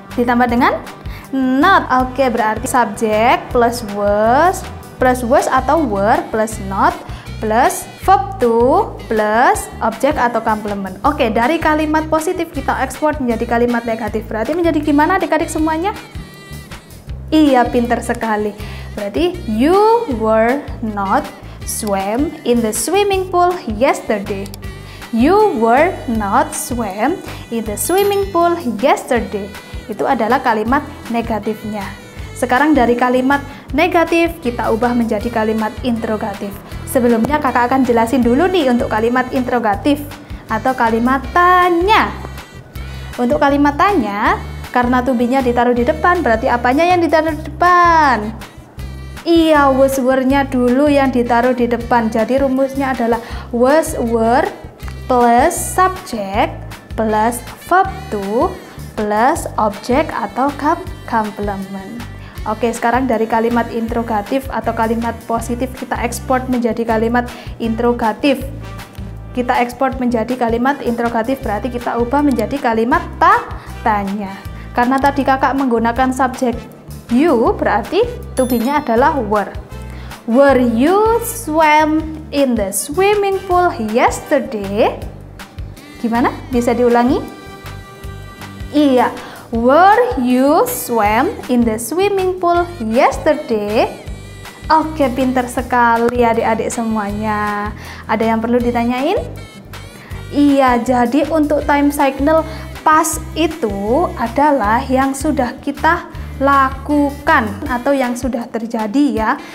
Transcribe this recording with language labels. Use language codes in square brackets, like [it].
[id] Ditambah dengan not. Oke, berarti [en] subject plus was atau were plus not plus verb to plus object atau complement. [id] Oke, dari kalimat positif kita ekspor menjadi kalimat negatif. Berarti menjadi gimana adik-adik semuanya? Iya, pinter sekali. [en] Berarti you were not swam in the swimming pool yesterday. You were not swam in the swimming pool yesterday. [id] Itu adalah kalimat negatifnya. Sekarang dari kalimat negatif kita ubah menjadi kalimat interrogatif. Sebelumnya kakak akan jelasin dulu nih untuk kalimat interrogatif atau kalimat tanya. Untuk kalimat tanya, karena to be-nya ditaruh di depan, berarti apanya yang ditaruh di depan? Iya, was were-nya dulu yang ditaruh di depan. Jadi rumusnya adalah was were plus subject plus verb to plus object atau complement. Oke, sekarang dari kalimat interrogatif atau kalimat positif kita ekspor menjadi kalimat interrogatif. Kita ekspor menjadi kalimat interrogatif, berarti kita ubah menjadi kalimat tanya. Karena tadi kakak menggunakan subjek you, berarti to be-nya adalah were. [en] Were you swam in the swimming pool yesterday? [id] Gimana? Bisa diulangi? Iya. [en] Were you swam in the swimming pool yesterday? [id] Oke, pinter sekali adik-adik semuanya. Ada yang perlu ditanyain? Iya, jadi untuk time signal past itu adalah yang sudah kita lakukan atau yang sudah terjadi ya.